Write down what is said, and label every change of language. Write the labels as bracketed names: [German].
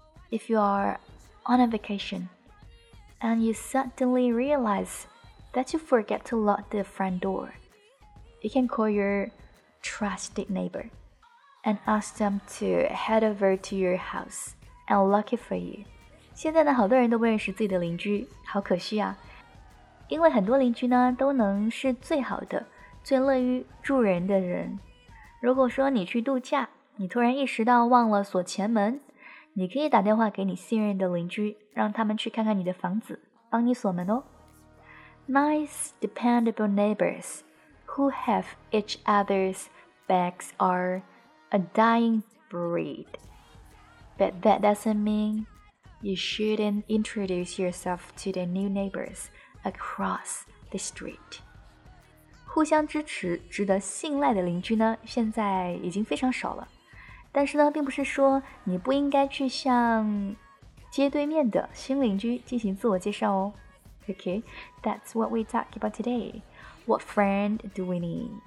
[English] If you are on a vacationAnd you suddenly realize that you forget to lock the front door. You can call your trusted neighbor and ask them to head over to your house and lock it for you. [Chinese] 现在呢，好多人都不认识自己的邻居，好可惜啊！因为很多邻居呢，都能是最好的、最乐于助人的人。如果说你去度假，你突然意识到忘了锁前门。你可以打电话给你信任的邻居，让他们去看看你的房子，帮你锁门哦。 [English] Nice, dependable neighbors who have each other's backs are a dying breed. But that doesn't mean you shouldn't introduce yourself to the new neighbors across the street. [Chinese] 互相支持、值得信赖的邻居呢，现在已经非常少了。但是呢，并不是说你不应该去向街对面的新邻居进行自我介绍哦。 [English] Okay, that's what we talk about today. What friend do we need?